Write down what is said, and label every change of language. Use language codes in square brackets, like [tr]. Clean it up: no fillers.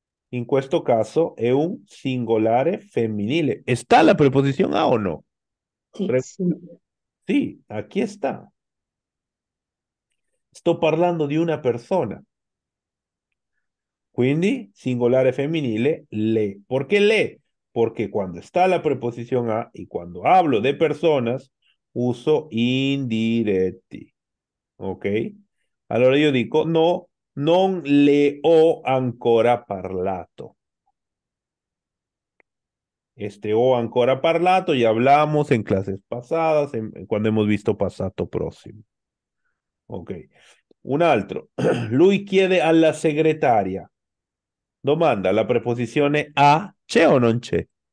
[es] En [it] questo caso [es] es un [it] singolare femminile. [es] ¿Está la preposición a o no? Sí. Sí, aquí está. Estoy hablando de una persona. [it] Quindi, singolare femminile, le. [es] ¿Por qué le? Porque cuando está la preposición a y cuando hablo de personas, uso indiretti. ¿Ok? [it] Allora [es] yo digo, [it] no, non le ho ancora parlato. [es] Este [it] o ancora parlato [es] ya hablamos en clases pasadas, cuando hemos visto pasado próximo. [it] Ok. Un altro. Lui chiede alla segretaria. Domanda, la preposizione a c'è o non c'è?